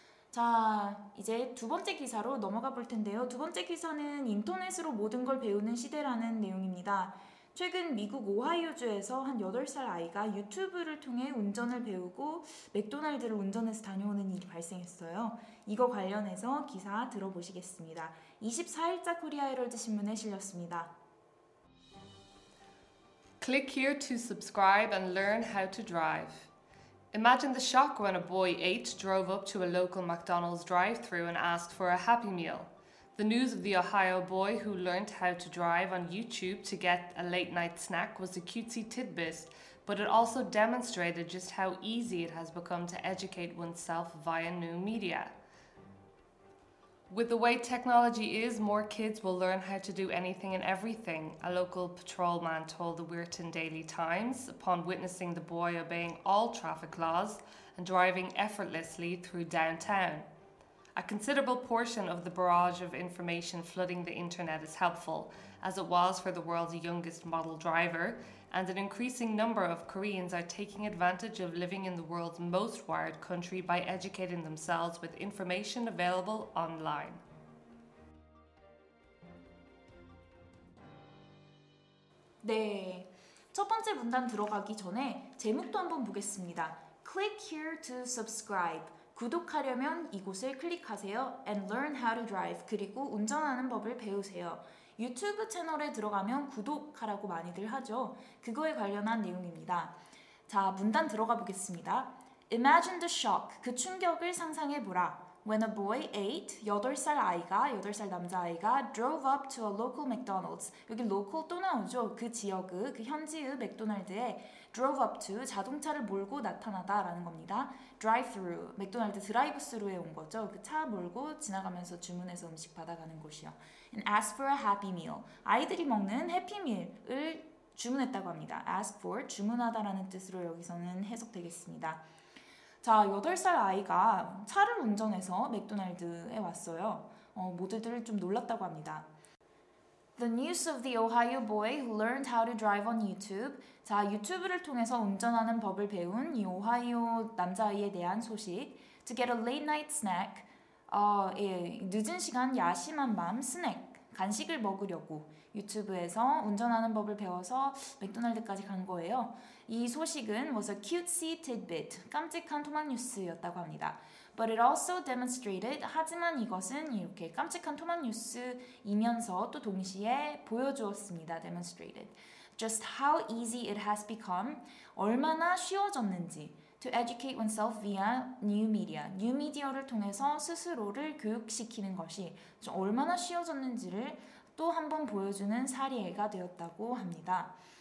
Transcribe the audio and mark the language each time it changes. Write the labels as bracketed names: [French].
[Korean] 자, 이제 두 번째 기사로 넘어가 볼 텐데요. 두 번째 기사는 인터넷으로 모든 걸 배우는 시대라는 내용입니다. 최근 미국 오하이오주에서 한 8살 아이가 유튜브를 통해 운전을 배우고 맥도날드를 운전해서 다녀오는 일이 발생했어요. 이거 관련해서 기사 들어보시겠습니다. 24일자 코리아 헤럴드 신문에 실렸습니다. [English] Click here to subscribe and learn how to drive. Imagine the shock when a boy 8 drove up to a local McDonald's drive-thru and asked for a Happy Meal. The news of the Ohio boy who learned how to drive on YouTube to get a late-night snack was a cutesy tidbit, but it also demonstrated just how easy it has become to educate oneself via new media. With the way technology is, more kids will learn how to do anything and everything, a local patrolman told the Weirton Daily Times upon witnessing the boy obeying all traffic laws and driving effortlessly through downtown. A considerable portion of the barrage of information flooding the internet is helpful, as it was for the world's youngest model driver, and an increasing number of Koreans are taking advantage of living in the world's most wired country by educating themselves with information available online. [Korean] 네, 첫 번째 문단 들어가기 전에 제목도 한번 보겠습니다. [English] Click here to subscribe. [Korean] 구독하려면 이곳을 클릭하세요. [English] And learn how to drive. [Korean] 그리고 운전하는 법을 배우세요. 유튜브 채널에 들어가면 구독하라고 많이들 하죠. 그거에 관련한 내용입니다. 자, 문단 들어가 보겠습니다. [English] Imagine the shock. [Korean] 그 충격을 상상해보라. [English] When a boy 8, [Korean] 8살 아이가, 8살 남자아이가 [English] drove up to a local McDonald's. [Korean] 여기 local 또 나오죠. 그 지역의, 그 현지의 맥도날드에 [English] drove up to, [Korean] 자동차를 몰고 나타나다 라는 겁니다. drive-through, 맥도날드 드라이브스루에 온 거죠. 그 차 몰고 지나가면서 주문해서 음식 받아가는 곳이요. [English] And ask for a happy meal. [Korean] 아이들이 먹는 해피밀을 주문했다고 합니다. ask for, 주문하다 라는 뜻으로 여기서는 해석되겠습니다. 자, 8살 아이가 차를 운전해서 맥도날드에 왔어요. 모두들 좀 놀랐다고 합니다. [English] The news of the Ohio boy who learned how to drive on YouTube. [Korean] 자, 유튜브를 통해서 운전하는 법을 배운 이 오하이오 남자아이에 대한 소식. [English] To get a late night snack. [Korean] 늦은 시간 야심한 밤 스낵, 간식을 먹으려고 유튜브에서 운전하는 법을 배워서 맥도날드까지 간 거예요. 이 소식은 [English] was a cutesy tidbit, [Korean] 깜찍한 토막 뉴스였다고 합니다. [English] But it also demonstrated, [Korean] 하지만 이것은 이렇게 깜찍한 토막 뉴스이면서 또 동시에 보여주었습니다. [English] demonstrated. Just how easy it has become, [Korean] 얼마나 쉬워졌는지, [English] To educate oneself via new media. [Korean] New media를 통해서 스스로를 교육시키는 것이 좀 얼마나 쉬워졌는지를 또 한 번 보여주는 사례가 되었다고 합니다.